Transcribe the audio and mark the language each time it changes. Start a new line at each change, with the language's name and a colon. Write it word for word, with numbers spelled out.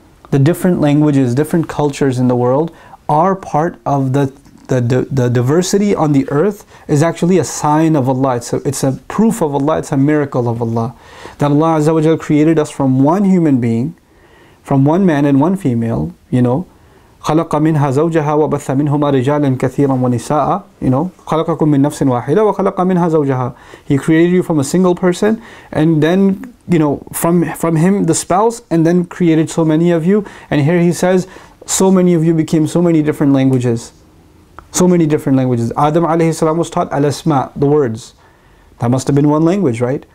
English: The different languages, different cultures in the world are part of the the the, the diversity on the earth is actually a sign of Allah. It's a, it's a proof of Allah. It's a miracle of Allah. That Allah Azza wa Jal created us from one human being, from one man and one female, you know.
Arabic: خلق منها زوجها وبث منهما رجالا كثيرا ونساء.
English: You know,
Arabic: خلقكم من نفس واحدة وخلق منها زوجها.
English: He created you from a single person, and then, you know, from from him the spouse, and then created so many of you. And here he says, so many of you became so many different languages, so many different languages. Adam alayhi salam was taught al-asma, the words. That must have been one language, right?